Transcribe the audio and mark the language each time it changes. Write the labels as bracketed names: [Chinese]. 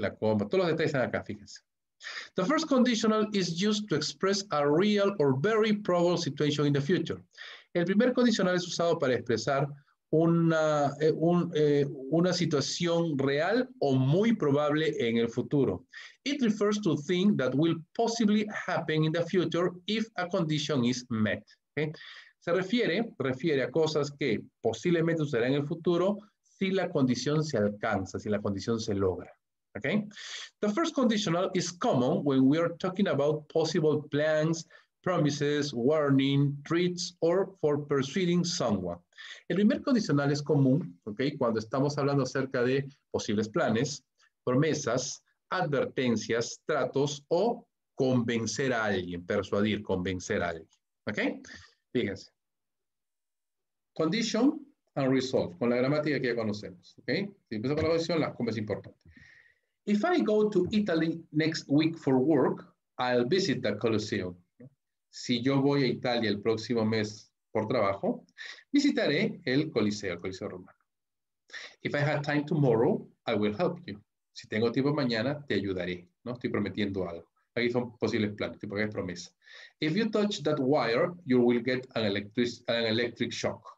[Spanish] La coma, todos los detalles están acá, fíjense. [English] The first conditional is used to express a real or very probable situation in the future. [Spanish] El primer condicional es usado para expresar una situación real o muy probable en el futuro. [English] It refers to a thing that will possibly happen in the future if a condition is met. ¿Okay? [Spanish] Se refiere a cosas que posiblemente sucederán en el futuro si la condición se alcanza, si la condición se logra. ¿Okay? [English] The first conditional is common when we are talking about possible plans, promises, warning, threats, or for persuading someone. [Spanish] El primer condicional es común, okay, cuando estamos hablando acerca de posibles planes, promesas, advertencias, tratos, o convencer a alguien, persuadir, convencer a alguien. Okay? Fíjense. [English] Condition and result, [Spanish] con la gramática que ya conocemos. Okay? Si empiezo con la condición, la cumbre es importante. [English] If I go to Italy next week for work, I'll visit the Colosseum. [Spanish] Si yo voy a Italia el próximo mes por trabajo, visitaré el Coliseo Romano. [English] If I have time tomorrow, I will help you. [Spanish] Si tengo tiempo mañana, te ayudaré, ¿no? Estoy prometiendo algo. Aquí son posibles planes, tipo que es promesa. [English] If you touch that wire, you will get an electric shock.